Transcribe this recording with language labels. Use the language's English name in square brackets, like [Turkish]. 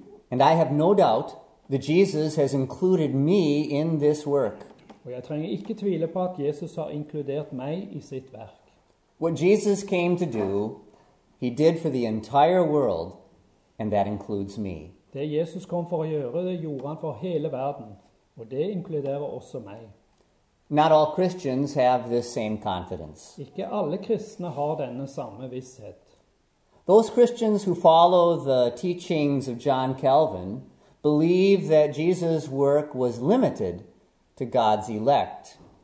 [English] And I have no doubt that Jesus has included me in this work. [Norwegian] Og jeg trenger ikke tvile på at Jesus har inkludert meg i sitt verk. [English] What Jesus came to do, he did for the entire world, and that includes me. [Norwegian] Det Jesus kom for å gjøre, det gjorde han for hele verden, og det inkluderer også meg. [English] Not all Christians have this same confidence. [Norwegian] Ikke alle kristne har denne samme visshet. [English] Those Christians who follow the teachings of John Calvin believe that Jesus' work was limited to God's elect.